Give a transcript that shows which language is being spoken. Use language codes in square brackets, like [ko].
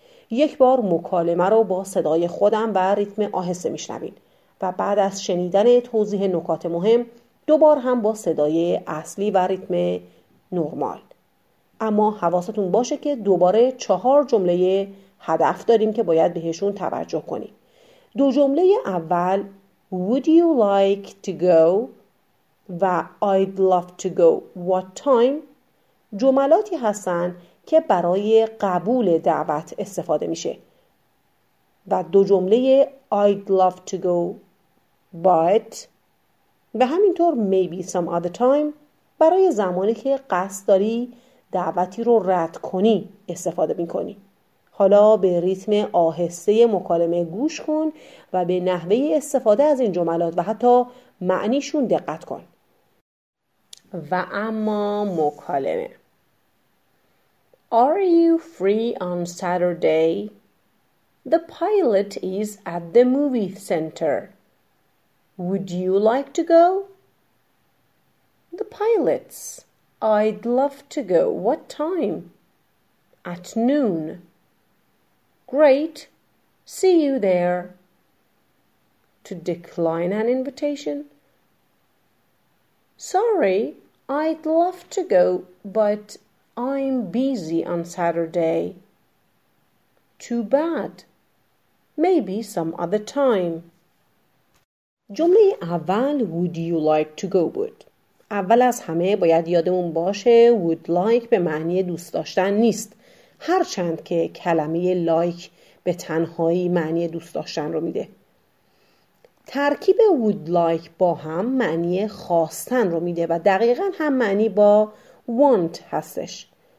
[fa] یک بار مکالمه رو با صدای خودم و ریتم آهسته میشنوین و بعد از شنیدن توضیح نکات مهم دوبار هم با صدای اصلی و ریتم نرمال. اما حواستون باشه که دوباره 4 جمله هدف داریم که باید بهشون توجه کنیم. 2 جمله اول [en] Would you like to go؟ [fa] و [en] I'd love to go. What time؟ [fa] جملاتی هستن که برای قبول دعوت استفاده میشه. و 2 جمله [en] I'd love to go but [fa] و همینطور [en] maybe some other time [fa] برای زمانی که قصد داری دعوتی رو رد کنی استفاده میکنی. حالا به ریتم آهسته مکالمه گوش کن و به نحوه استفاده از این جملات و حتی معنیشون دقت کن. و اما مکالمه. [en] Are you free on Saturday? The pilot is at the movie center. Would you like to go? The pilots. I'd love to go. What time? At noon. Great. See you there. To decline an invitation? Sorry. I'd love to go, but I'm busy on Saturday. Too bad. Maybe some other time. [fa] جمله اول [en] would you like to go [fa] بود. اول از همه باید یادمون باشه would like به معنی دوست داشتن نیست. هرچند که کلمه like به تنهایی معنی دوست داشتن رو میده. ترکیب would like با هم معنی خواستن رو میده و دقیقا هم معنی با want هستش.